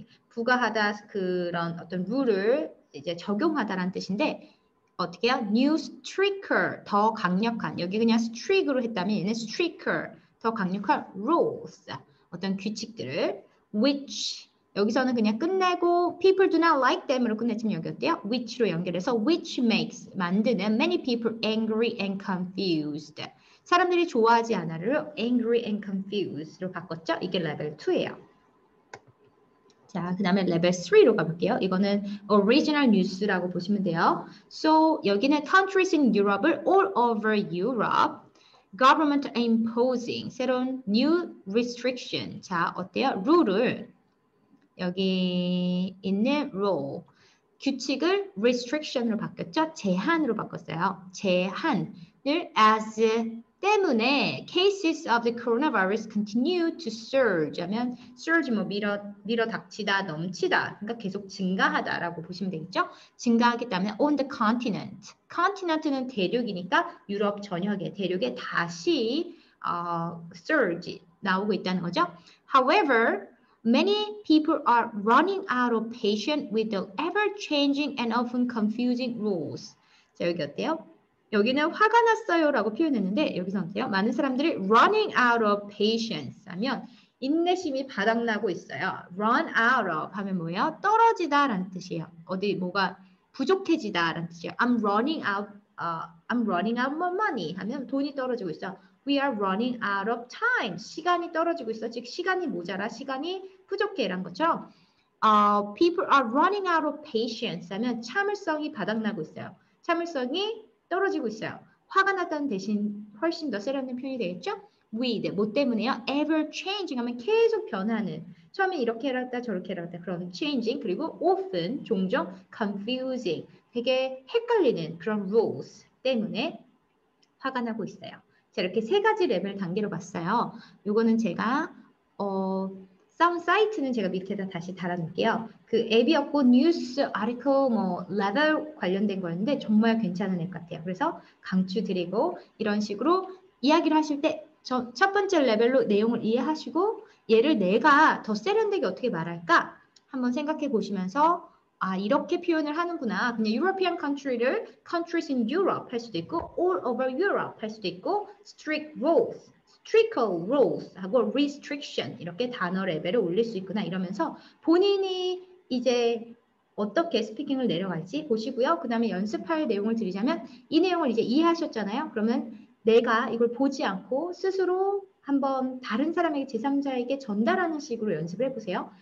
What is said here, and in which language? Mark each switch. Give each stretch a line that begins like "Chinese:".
Korean: 부과하다 그런 어떤 룰을 이제 적용하다라는 뜻인데 어떻게 해요?
English: New stricter,
Korean: 더 강력한. 여기 그냥 strict로 했다면 얘는 stricter, 더 강력한 rules, 어떤 규칙들을. Which, 여기서는 그냥 끝내고
English: people do not like them
Korean: 으로 끝냈지만 여기 어때요?
English: Which로 연결해서 which makes, 만드는 many people angry and confused.
Korean: 사람들이 좋아하지 않아를
English: angry and confused
Korean: 로 바꿨죠? 이게 레벨 2예요. 자, 그 다음에 레벨 3로 가볼게요. 이거는 오리지널 뉴스라고 보시면 돼요.
English: So, 여기는 countries in Europe을 all over Europe. Government are imposing 새로운 new restriction.
Korean: 자, 어때요? 룰을. 여기 있는 rule. 규칙을 restriction으로 바뀌었죠? 제한으로 바꿨어요.
English: 제한을 as 때문에 cases of the coronavirus continue to surge 하면 surge
Korean: 뭐 밀어닥치다, 넘치다. 그러니까 계속 증가하다라고 보시면 되겠죠?
English: 증가하겠다면 on the continent.
Korean: continent는 대륙이니까 유럽 전역에, 대륙에 다시 surge 나오고 있다는 거죠.
English: However, many people are running out of patience with the ever-changing and often confusing rules.
Korean: 자, 여기 어때요? 여기는 화가 났어요라고 표현했는데 여기서는 어때요? 많은 사람들이
English: running out of patience
Korean: 하면 인내심이 바닥나고 있어요. run out of 하면 뭐예요? 떨어지다라는 뜻이에요. 어디 뭐가 부족해지다라는 뜻이에요.
English: I'm running out of money
Korean: 하면 돈이 떨어지고 있어.
English: We are running out of time.
Korean: 시간이 떨어지고 있어. 즉 시간이 모자라. 시간이 부족해라는 거죠.
English: People are running out of patience
Korean: 하면 참을성이 바닥나고 있어요. 참을성이 떨어지고 있어요. 화가 났다는 대신 훨씬 더 세련된 표현이 되겠죠? With, 뭐 때문에요?
English: Ever changing
Korean: 하면 계속 변하는. 처음에 이렇게 해놨다, 저렇게 해놨다. 그런 changing. 그리고 often, 종종 confusing. 되게 헷갈리는 그런 rules 때문에 화가 나고 있어요. 자, 이렇게 세 가지 레벨 단계로 봤어요. 요거는 제가, sound 사이트는 제가 밑에다 다시 달아놓을게요. 그 앱이었고 뉴스 아티클 뭐 레벨 관련된 거였는데 정말 괜찮은 앱 같아요. 그래서 강추드리고 이런 식으로 이야기를 하실 때저첫 번째 레벨로 내용을 이해하시고 얘를 내가 더 세련되게 어떻게 말할까 한번 생각해 보시면서 아 이렇게 표현을 하는구나.
English: 그냥 European country를 countries in Europe
Korean: 할 수도 있고
English: all over Europe 할 수도 있고 strict rules. Strictal rules
Korean: 하고 restriction 이렇게 단어 레벨을 올릴 수 있구나 이러면서 본인이 이제 어떻게 스피킹을 내려갈지 보시고요. 그 다음에 연습할 내용을 드리자면 이 내용을 이제 이해하셨잖아요. 그러면 내가 이걸 보지 않고 스스로 한번 다른 사람에게 제3자에게 전달하는 식으로 연습을 해보세요.